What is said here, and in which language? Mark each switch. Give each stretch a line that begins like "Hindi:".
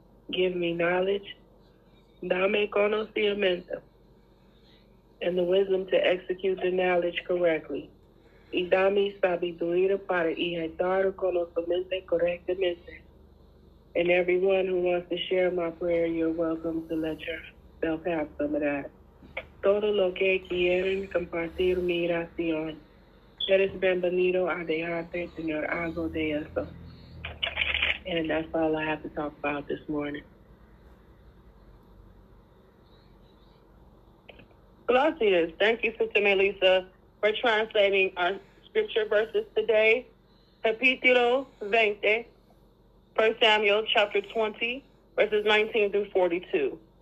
English: Give me knowledge.
Spanish: Dame conocimiento.
English: And the wisdom to execute the knowledge correctly.
Spanish: y dame sabiduría para ejecutar conocimiento correctamente.
English: And everyone who wants to share my prayer, you're welcome to let yourself have some of that.
Spanish: Todo lo que quieren compartir mi oración, eres bienvenido a dejarte, Señor, algo de eso.
English: And that's all I have to talk about this morning.
Spanish: Gracias.
English: Thank you, Sister Melissa, for translating our scripture verses today.
Spanish: Capítulo 20,
English: 1 Samuel chapter 20, verses 19 through 42.